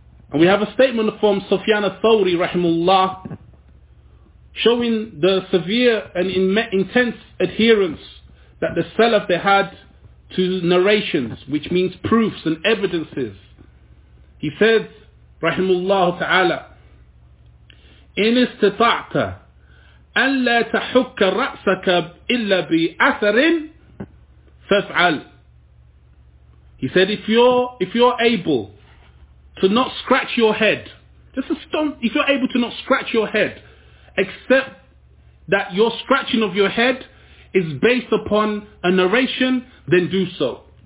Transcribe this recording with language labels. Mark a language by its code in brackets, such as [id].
[en] And we have a statement from Sufyan al-Thawri rahimullah, showing the severe and intense adherence that the Salaf they had to narrations, which means proofs and evidences. He said, [ar] rahimullah ta'ala, إِنِ اسْتَطَعْتَ أَنْ لَا تَحُكَّ رَأْسَكَ إِلَّا بِأَثَرٍ فَفْعَلْ. [en] He said, if you're able to not scratch your head, just a stone, if you're able to not scratch your head, except that your scratching of your head is based upon a narration, then do so.